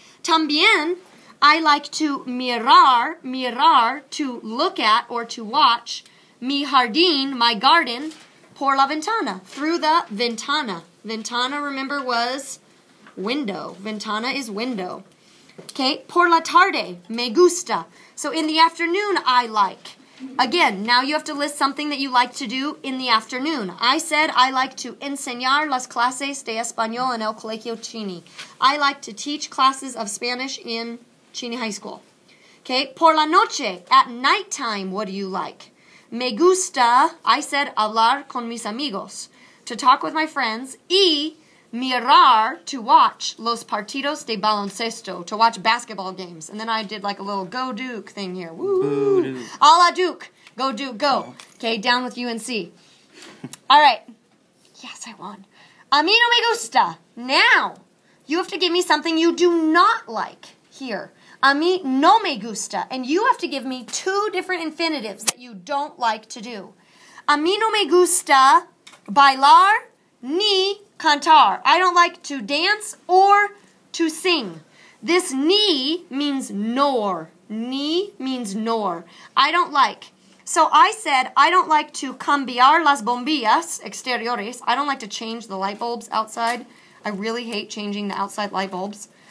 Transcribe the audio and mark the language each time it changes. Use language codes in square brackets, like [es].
[es] También, [en] I like to mirar, to look at or to watch, [es] mi jardín, [en] my garden, [es] por la ventana, [en] through the ventana. Ventana, remember, was window. Ventana is window. Okay, [es] por la tarde, me gusta. [en] So in the afternoon, I like. Again, now you have to list something that you like to do in the afternoon. I said I like to [es] enseñar las clases de español en el colegio Cheney. [en] I like to teach classes of Spanish in Cheney High School. Okay, [es] por la noche, [en] at nighttime, what do you like? [es] Me gusta, [en] I said, [es] hablar con mis amigos, [en] to talk with my friends, [es] y mirar, [en] to watch [es] los partidos de baloncesto, [en] to watch basketball games. And then I did like a little go Duke thing here. Woo! [es] A la Duke. [en] Go Duke, go. Okay, down with UNC. All right. Yes, I won. [es] A mí no me gusta. [en] Now, you have to give me something you do not like here. [es] A mí no me gusta. [en] And you have to give me two different infinitives that you don't like to do. [es] A mí no me gusta bailar ni cantar. [en] I don't like to dance or to sing. This ni means nor. Ni means nor. I don't like. So I said, I don't like to [es] cambiar las bombillas exteriores. [en] I don't like to change the light bulbs outside. I really hate changing the outside light bulbs.